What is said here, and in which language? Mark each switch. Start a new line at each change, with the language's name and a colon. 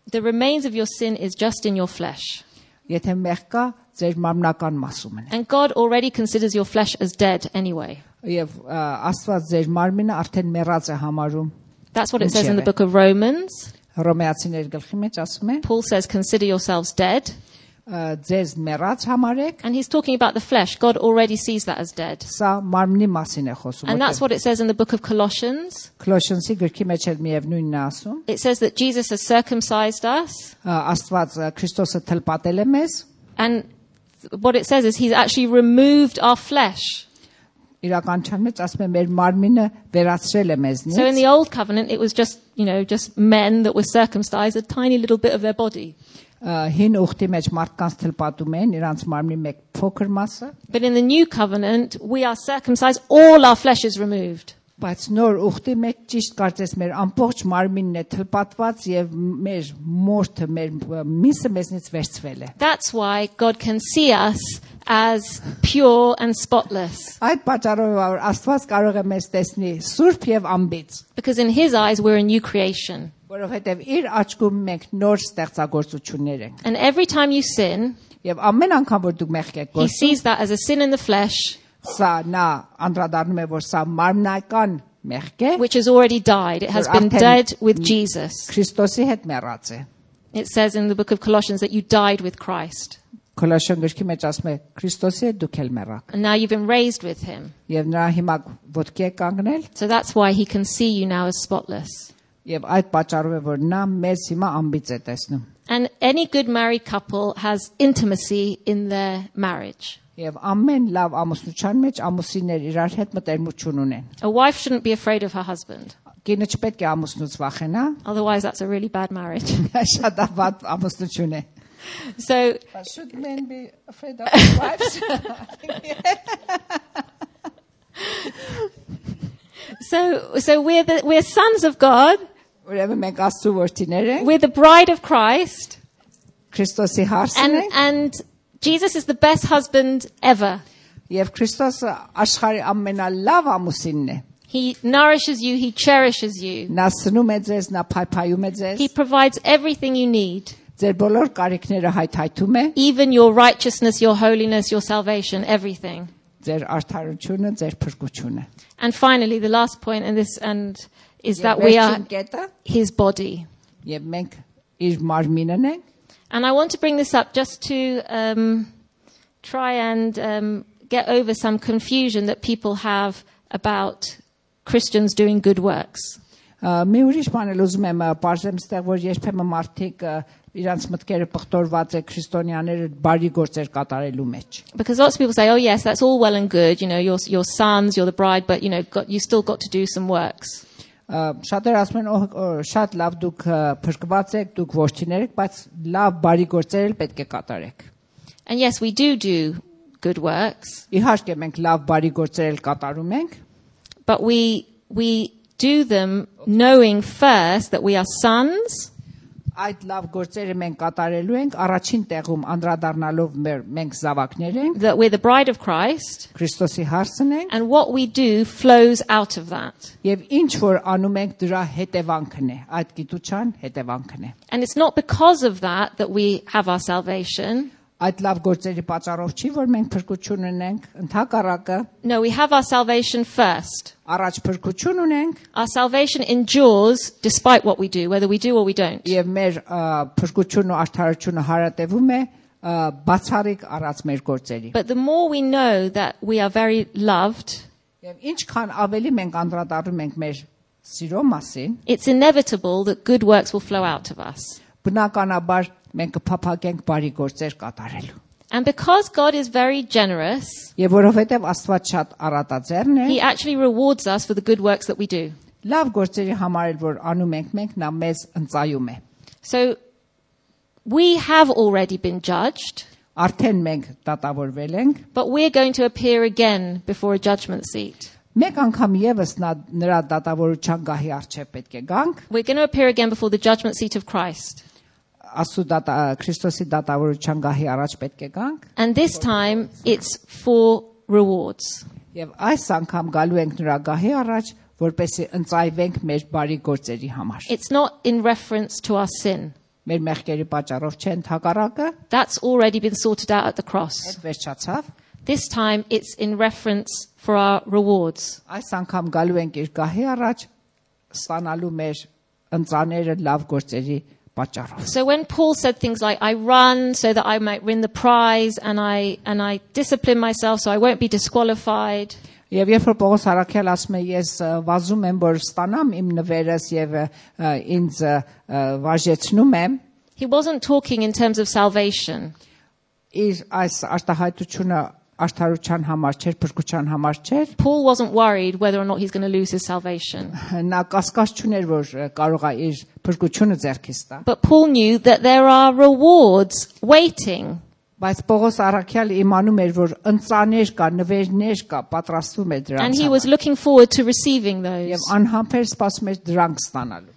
English: The remains of your sin is just in your flesh.
Armenian: Եթե մեղք կա, ձեր մարմնական մասումն է.
English: And God already considers your flesh as dead anyway.
Armenian: Եվ Աստված ձեր մարմինը արդեն մեռած է համարում.
English: That's what it says in the book of Romans.
Armenian: Ռոմեացիների գլխի մեջ ասում է.
English: Paul says consider yourselves dead.
Armenian: Ձեզ մեռած համարեք.
English: And he's talking about the flesh. God already sees that as dead.
Armenian: Սա մարմնի մասին է խոսում։
English: And that's what it says in the book of Colossians.
Armenian: Կոլոսսի գրքի մեջ էլ միևնույնն է ասում։
English: It says that Jesus has circumcised us.
Armenian: Աստված Քրիստոսը թլպատել է մեզ։
English: And what it says is he's actually removed our flesh.
Armenian: Իրականության մեջ ասում է մեր մարմինը վերացրել է մեզ։
English: So in the old covenant it was just, you know, just men that were circumcised a tiny little bit of their body.
Armenian: Հին ուղտի մեջ մարդկանց թլպատում են իրանց մարմնի մեկ փոքր մասը։
English: But in the new covenant we are circumcised, all our flesh is removed.
Armenian: բայց նոր ուխտի մեջ ճիշտ կարծես մեր ամբողջ մարմինն է թլպատված եւ մեր մորթը մեր միսը մեզնից վերցվել է
English: That's why God can see us as pure and spotless
Armenian: Այդ պատճառով որ Աստված կարող է մեզ տեսնի սուրբ եւ անբիծ
English: Because in his eyes we're a new creation
Armenian: Որովհետեւ իր աչքում մենք նոր ստեղծագործություններ ենք
English: And every time you sin
Armenian: եւ ամեն անգամ որ դու մեղք եք գործում
English: He sees that as a sin in the flesh
Armenian: Սա նա անդրադառնում է որ սա մարմնական մեղք է
English: which has already died it has been dead with Jesus
Armenian: Քրիստոսի հետ մեռած է
English: It says in the book of Colossians that you died with Christ
Armenian: Կոլոսյան գրքի մեջ ասում է Քրիստոսի հետ դուք էլ մեռաք
English: And now you've been raised with him
Armenian: Եվ նա հիմա ոտքի է կանգնել
English: So that's why he can see you now as spotless
Armenian: Եվ այդ պատճառով է որ նա մեզ հիմա անբիծ է տեսնում
English: And any good married couple has intimacy in their marriage
Armenian: Եվ ամեն լավ ամուսնության մեջ ամուսիններ իրար հետ մտերմություն ունեն։
English: A wife shouldn't be afraid of her husband.
Armenian: Գինը չպետք է ամուսնուց վախենա։
English: Otherwise that's a really bad marriage.
Armenian: Շատ ավատ ամուսնություն է։
English: So should men be afraid of their wives? So we're sons of God.
Armenian: Ուրեմն մենք Աստծո որդիներ ենք։
English: We're the bride of Christ.
Armenian: Քրիստոսի հարսն ենք։
English: And Jesus is the best husband ever.
Armenian: Եվ Քրիստոսը աշխարհի ամենալավ ամուսինն է.
English: He nourishes you, he cherishes you.
Armenian: Նա սնում է ձեզ, նա փայփայում է ձեզ.
English: He provides everything you need.
Armenian: Ձեր բոլոր կարիքները հայթայթում է.
English: Even your righteousness, your holiness, your salvation, everything.
Armenian: Ձեր արդարությունը, ձեր փրկությունը.
English: And finally, the last point in this and is that we are his body.
Armenian: Եվ մենք իր մարմինն ենք.
English: And I want to bring this up just to try and get over some confusion that people have about Christians doing good works.
Armenian: Մի ուրիշ բան եմ ուզում ասեմ, ստեղ որ երբեմն մարդիկ իրանց մտքերը պղտորված է քրիստոնյաները բարի գործեր կատարելու մեջ.
English: Because lots of people say, oh yes, that's all well and good, you know, your sons, you're the bride, but you know, you still got to do some works.
Armenian: Շատեր ասում են, օհ, շատ լավ դուք փրկված եք, դուք ոչինչներ եք, բայց լավ բարի գործեր էլ պետք է կատարեք։
English: And yes, we do good works.
Armenian: Իհարկե մենք լավ բարի գործեր էլ կատարում ենք։
English: But we do them knowing first that we are sons.
Armenian: Այդ լավ գործերը մենք կատարելու ենք առաջին տեղում անդրադառնալով մենք զավակներ ենք։
English: That we're the bride of Christ.
Armenian: Քրիստոսի հարսն ենք։
English: And what we do flows out of that.
Armenian: Եվ ինչ որ անում ենք դրա հետևանքն է, այդ գիտության հետևանքն է։
English: And it's not because of that that we have our salvation.
Armenian: Այդ լավ գործերի պատճառով չի որ մենք փրկություն ունենք, ընդհակառակը։
English: No, we have our salvation first.
Armenian: Առաջ փրկություն ունենք։
English: Our salvation endures despite what we do, whether we do or we don't.
Armenian: Եվ մեր փրկությունն ու արդարությունը հարատևում է բացառիկ առած մեր գործերի։
English: But the more we know that we are very loved,
Armenian: Եվ ինչքան ավելի մենք անդրադառնում ենք մեր սիրո մասին,
English: It's inevitable that good works will flow out of us.
Armenian: Բնականաբար մենք կփափագենք բարի գործեր կատարելու։
English: And because God is very generous,
Armenian: Եվ որովհետև Աստված շատ առատաձեռն է,
English: He actually rewards us for the good works that we do.
Armenian: Լավ գործերի համար էլ որ անում ենք մենք, նա մեզ ընծայում է։
English: So we have already been judged.
Armenian: Արդեն մենք դատավորվել ենք։
English: But we're going to appear again before a judgment seat.
Armenian: Մեկ անգամ եւս նրա դատավորության գահի առջեւ պետք է գանք։
English: We're going to appear again before the judgment seat of Christ.
Armenian: Աստու դատա Քրիստոսի դատավորության գահի առաջ պետք է գանք։
English: And this time it's for rewards.
Armenian: Եվ այս անգամ գալու ենք նրա գահի առաջ, որպեսզի ընծայվենք մեր բարի գործերի համար։
English: It's not in reference to our sin.
Armenian: Մեր մեղքերի պատճառով չէ ընդհակառակը։
English: That's already been sorted out at the cross.
Armenian: Այդ վերջացավ։
English: This time it's in reference for our rewards.
Armenian: Այս անգամ գալու ենք իր գահի առաջ ստանալու մեր ընծաները լավ գործերի պատճառով։
English: So when Paul said things like I run so that I might win the prize and I discipline myself so I won't be disqualified.
Armenian: Եվ երբ Պողոս Հարաքյալ ասում է ես վազում եմ որ ստանամ իմ նվերս եւ ինձ վաժեցնում եմ։
English: He wasn't talking in terms of salvation.
Armenian: Իր այս արտահայտությունը արդարության համար չէր, փրկության համար չէր։
English: Paul wasn't worried whether or not he's going to lose his salvation.
Armenian: Նա կասկած չուներ, որ կարող է իր փրկությունը ձեռքից տա։
English: But Paul knew that there are rewards waiting.
Armenian: բայց Պողոս Առաքյալը իմանում էր, որ ընծաներ կա, նվերներ կա, պատրաստվում է դրանց։
English: And he was looking forward to receiving those.
Armenian: Եվ անհամբեր սպասում էր դրանք ստանալու։